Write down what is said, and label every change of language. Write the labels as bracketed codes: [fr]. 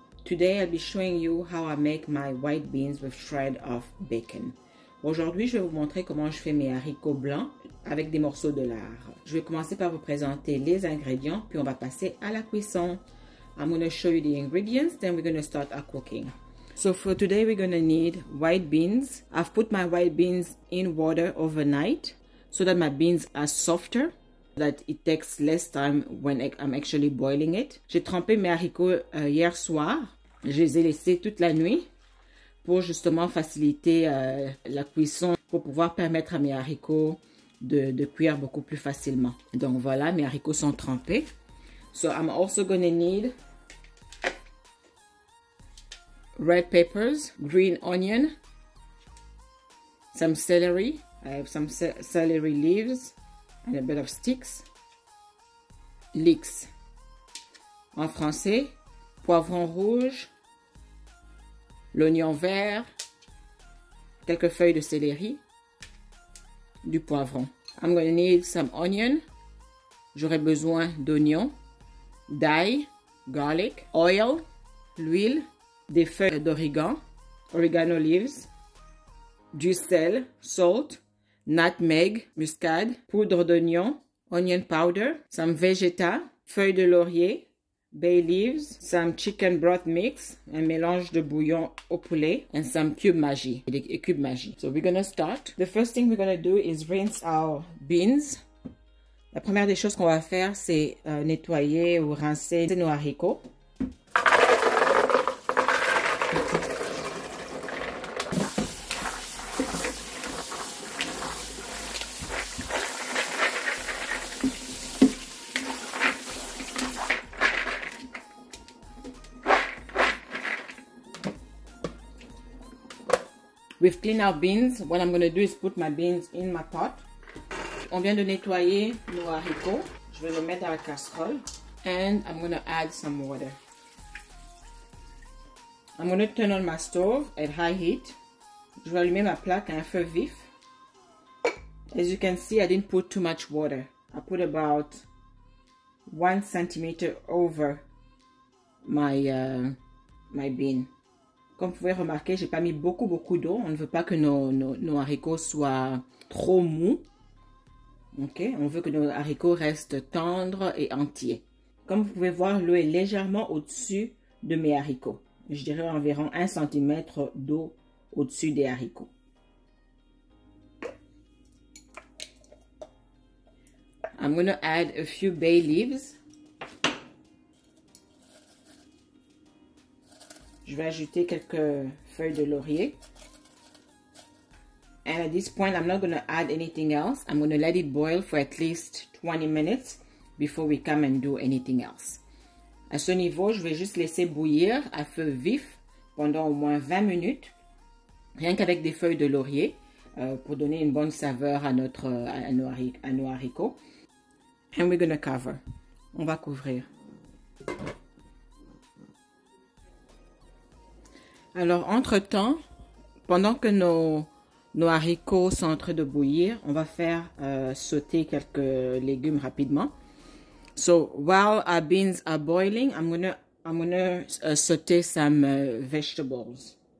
[en] Today I'll be showing you how I make my white beans with shred of bacon. [fr] Aujourd'hui, je vais vous montrer comment je fais mes haricots blancs avec des morceaux de lard. Je vais commencer par vous présenter les ingrédients, puis on va passer à la cuisson. [en] I'm going to show you the ingredients, then we're going to start our cooking. So for today, we're going to need white beans. I've put my white beans in water overnight so that my beans are softer, that it takes less time when I'm actually boiling it. [fr] J'ai trempé mes haricots hier soir. Je les ai laissés toute la nuit pour justement faciliter la cuisson, pour pouvoir permettre à mes haricots de cuire beaucoup plus facilement. Donc voilà, mes haricots sont trempés. [en] So I'm also going to need red peppers, green onion, some celery. I have some celery leaves and a bit of sticks. Leeks. [fr] En français, poivron rouge, l'oignon vert, quelques feuilles de céleri, du poivron. [en] I'm going to need some onion. [fr] J'aurai besoin d'oignons, d'ail, [en] garlic, oil, [fr] l'huile, des feuilles d'origan, [en] oregano leaves, [fr] du sel, [en] salt, nutmeg, [fr] muscade, poudre d'oignon, [en] onion powder, some vegeta, [fr] feuilles de laurier, [en] bay leaves, some chicken broth mix, [fr] un mélange de bouillon au poulet, [en] and some cube magie, [fr] des cubes magie. [en] So we're gonna start. The first thing we're gonna do is rinse our beans. [fr] La première des choses qu'on va faire, c'est nettoyer ou rincer nos haricots. [en] We've cleaned our beans. What I'm going to do is put my beans in my pot. [fr] On vient de nettoyer nos haricots. Je vais les mettre dans la casserole. [en] And I'm going to add some water. I'm going to turn on my stove at high heat. [fr] Je vais allumer ma plaque à un feu vif. [en] As you can see, I didn't put too much water. I put about 1 centimeter over my bean. [fr] Comme vous pouvez remarquer, j'ai pas mis beaucoup d'eau. On ne veut pas que nos haricots soient trop mous. Ok, on veut que nos haricots restent tendres et entiers. Comme vous pouvez voir, l'eau est légèrement au-dessus de mes haricots. Je dirais environ 1 cm d'eau au-dessus des haricots. [en] I'm going to add a few bay leaves. [fr] Je vais ajouter quelques feuilles de laurier. [en] And at this point, I'm not going to add anything else. I'm going to let it boil for at least 20 minutes before we come and do anything else. [fr] À ce niveau, je vais juste laisser bouillir à feu vif pendant au moins 20 minutes, rien qu'avec des feuilles de laurier, pour donner une bonne saveur à nos haricots. [en] And we're going to cover. [fr] On va couvrir. Alors, entre-temps, pendant que nos haricots sont en train de bouillir, on va faire sauter quelques légumes rapidement. [en] So, while our beans are boiling, I'm gonna sauter some vegetables.